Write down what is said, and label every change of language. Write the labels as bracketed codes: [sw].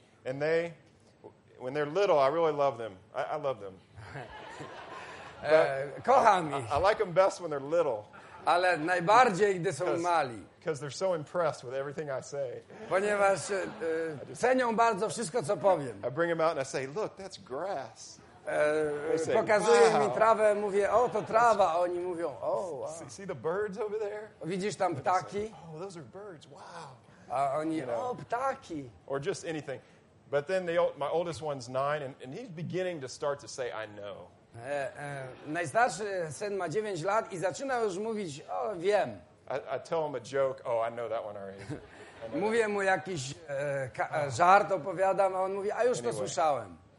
[en] And they, when they're little, I really love them. I love them. [pl] Kocham ich. [en] I like them best when they're little. [pl] Ale najbardziej, gdy są mali. [en] Because they're so impressed with everything I say. [pl] Ponieważ cenią bardzo wszystko, co powiem. [en] I bring them out and I say, look, that's grass. [pl] Say, pokazuję wow. mi trawę, mówię, o, to trawa. A oni mówią, o, [en] oh, wow. See the birds over there? [pl] Widzisz tam ptaki? [en] Say, oh, those are birds, wow. [pl] A oni, [en] you know, [pl] o, ptaki. [en] Or just anything. But then my oldest one's 9, and he's beginning to start to say, I know. [pl] Najstarszy syn ma 9 lat i zaczyna już mówić, o, wiem. [en] I tell him a joke, oh, I know that one already. [pl] Mówię mu jakiś żart, opowiadam, a on mówi, a już to słyszałem.